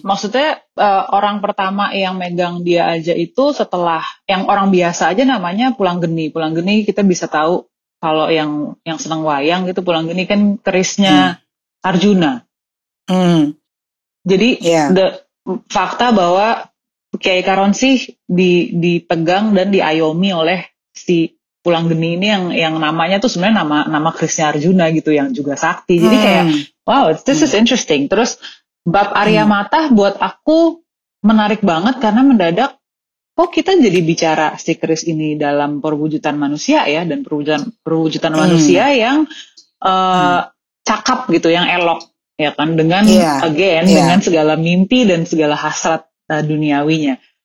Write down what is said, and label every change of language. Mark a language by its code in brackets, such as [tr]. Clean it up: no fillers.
[id] maksudnya orang pertama yang megang dia aja itu, setelah yang orang biasa aja namanya Pulang Geni, kita bisa tahu kalau yang senang wayang gitu, Pulang Geni kan kerisnya Arjuna. Jadi fakta bahwa Kiai Karonsih dipegang dan diayomi oleh si Pulang Geni ini, yang namanya tuh sebenarnya nama kerisnya Arjuna gitu, yang juga sakti. Jadi kayak [en] wow, this is interesting. [id] Terus bab Arya Matah buat aku menarik banget, karena mendadak kok kita jadi bicara si keris ini dalam perwujudan manusia ya, dan perwujudan manusia yang cakap gitu, yang elok ya kan, dengan dengan segala mimpi dan segala hasrat duniawinya.